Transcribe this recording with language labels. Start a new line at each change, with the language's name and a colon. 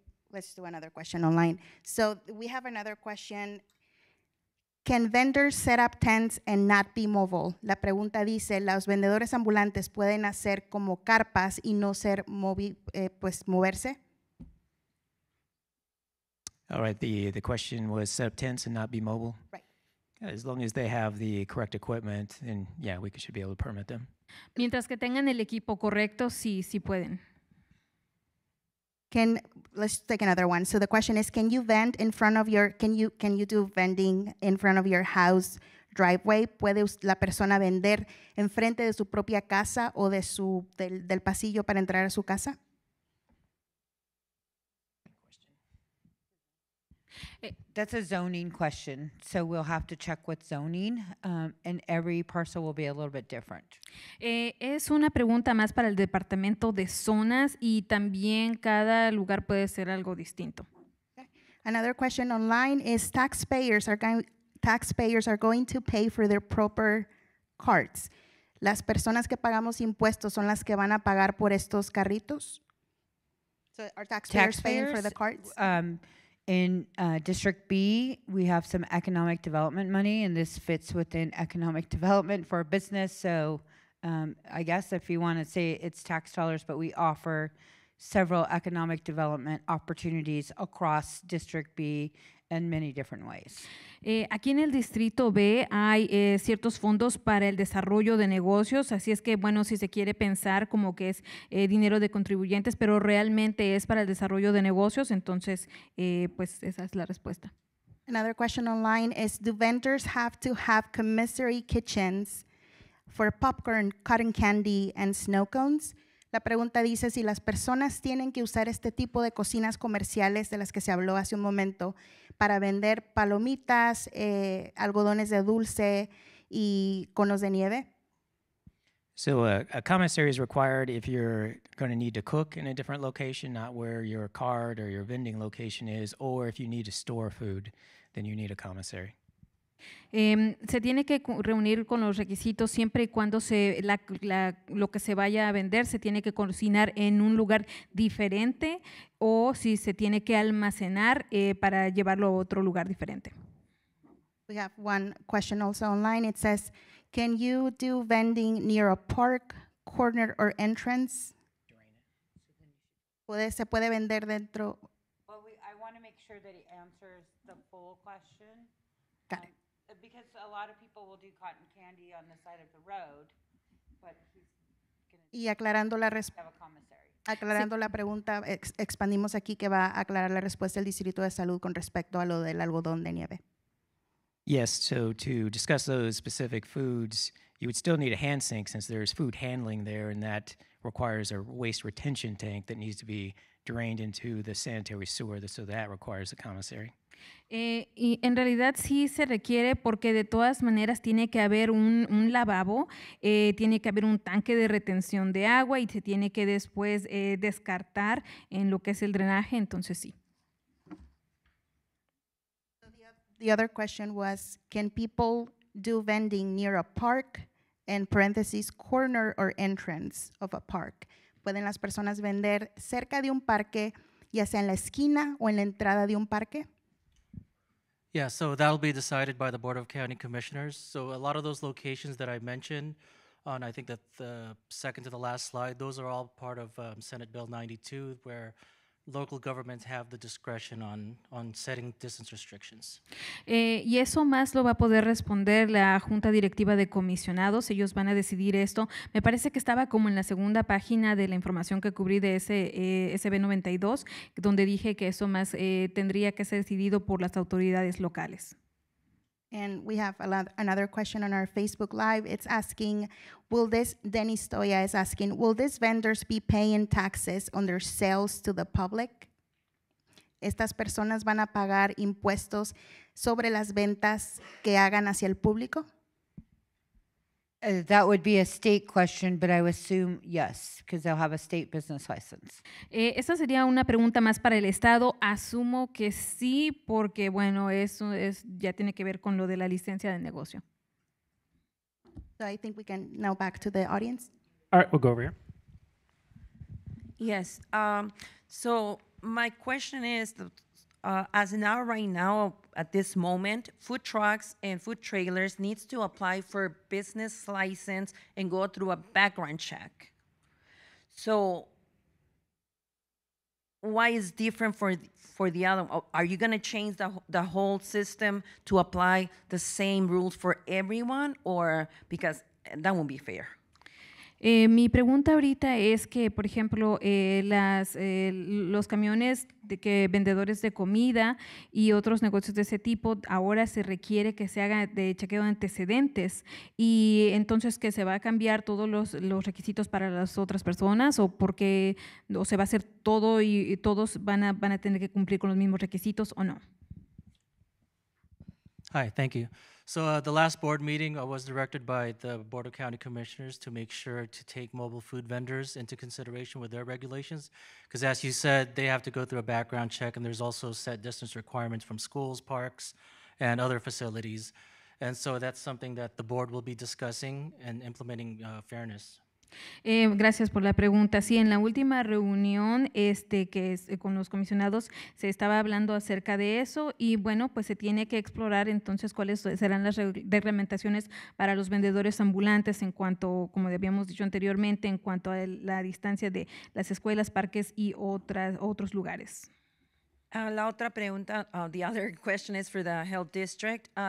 English: Let's do another question online. So we have another question. Can vendors set up tents and not be mobile?
Spanish: La pregunta dice, ¿los vendedores ambulantes pueden hacer como carpas y no ser moverse?
English: All right, the question was set up tents and not be mobile? Right. As long as they have the correct equipment, then yeah, we should be able to permit them.
Spanish: Mientras que tengan el equipo correcto, sí, sí pueden.
English: Let's take another one. So the question is, can you do vending in front of your house driveway?
Spanish: ¿Puede la persona vender enfrente de su propia casa o de su del pasillo para entrar a su casa?
English: That's a zoning question, so we'll have to check with zoning, and every parcel will be a little bit different.
Spanish: Es una pregunta más para el departamento de zonas, y también cada lugar puede ser algo distinto.
English: Okay. Another question online is, taxpayers are going to pay for their proper carts.
Spanish: ¿Las personas que pagamos impuestos son las que van a pagar por estos carritos?
English: So are taxpayers paying for the carts? In District B, we have some economic development money, and this fits within economic development for a business. So I guess if you want to say it's tax dollars, but we offer several economic development opportunities across District B in many different ways.
Spanish: Aquí en el Distrito B hay ciertos fondos para el desarrollo de negocios, así es que, bueno, si se quiere pensar como que es dinero de contribuyentes, pero realmente es para el desarrollo de negocios, entonces, pues esa es la respuesta.
English: Another question online is, do vendors have to have commissary kitchens for popcorn, cotton candy, and snow cones?
Spanish: La pregunta dice si las personas tienen que usar este tipo de cocinas comerciales de las que se habló hace un momento para vender palomitas, algodones de dulce y conos de nieve.
English: So a commissary is required if you're going to need to cook in a different location, not where your cart or your vending location is, or if you need to store food, then you need a commissary.
Spanish: Se tiene que reunir con los requisitos siempre y cuando lo que se vaya a vender se tiene que cocinar en un lugar diferente o si se tiene que almacenar para llevarlo a otro lugar diferente.
English: We have one question also online. It says, can you do vending near a park, corner, or entrance?
Spanish: ¿Se puede vender dentro?
English: Well, I want to make sure that he answers the full question. Got it. Because a lot of people will do cotton candy on the side of the road, but he's going to
Spanish: aclarando la
English: have a commissary.
Spanish: Aclarando sí. La pregunta, expandimos aquí que va a aclarar la respuesta del Distrito de Salud con respecto a lo del algodón de nieve.
English: Yes, so to discuss those specific foods, you would still need a hand sink since there's food handling there, and that requires a waste retention tank that needs to be drained into the sanitary sewer, so that requires a commissary.
Spanish: Y en realidad sí se requiere porque de todas maneras tiene que haber un lavabo, tiene que haber un tanque de retención de agua y se tiene que después descartar en lo que es el drenaje, entonces sí.
English: The other question was, can people do vending near a park, in parentheses, corner or entrance of a park?
Spanish: ¿Pueden las personas vender cerca de un parque, ya sea en la esquina o en la entrada de un parque?
English: Yeah, so that'll be decided by the Board of County Commissioners. So a lot of those locations that I mentioned on, I think that the second to the last slide, those are all part of Senate Bill 92, where local governments have the discretion on setting distance restrictions.
Spanish: Y eso más lo va a poder responder la Junta Directiva de Comisionados. Ellos van a decidir esto. Me parece que estaba como en la segunda página de la información que cubrí de ese SB 92, donde dije que eso más tendría que ser decidido por las autoridades locales.
English: And we have another question on our Facebook Live. It's asking, will this, Denny Stoya is asking, will these vendors be paying taxes on their sales to the public?
Spanish: ¿Estas personas van a pagar impuestos sobre las ventas que hagan hacia el público?
English: That would be a state question, but I would assume yes, because they'll have a state business license.
Spanish: Esa sería una pregunta más para el estado. Asumo que sí, porque bueno, eso es ya tiene que ver con lo de la licencia de negocio.
English: So I think we can now back to the audience. All right, we'll go over here. Yes. So my question is, as now right now, at this moment, food trucks and food trailers needs to apply for a business license and go through a background check. So why is different for the other? Are you going to change the whole system to apply the same rules for everyone? Or because that won't be fair.
Spanish: Mi pregunta ahorita es que, por ejemplo, los camiones de que vendedores de comida y otros negocios de ese tipo, ahora se requiere que se haga de chequeo de antecedentes y entonces que se va a cambiar todos los requisitos para las otras personas o porque o se va a hacer todo y todos van a tener que cumplir con los mismos requisitos o no.
English: Hi, thank you. So the last board meeting was directed by the Board of County Commissioners to make sure to take mobile food vendors into consideration with their regulations. Because as you said, they have to go through a background check and there's also set distance requirements from schools, parks, and other facilities. And so that's something that the board will be discussing and implementing fairness.
Spanish: Gracias por la pregunta. Sí, en la última reunión que es con los comisionados se estaba hablando acerca de eso y bueno, pues se tiene que explorar entonces cuáles serán las reglamentaciones para los vendedores ambulantes en cuanto, como habíamos dicho anteriormente, en cuanto a la distancia de las escuelas, parques y otros lugares. La otra pregunta,
English: the other question is for the health district.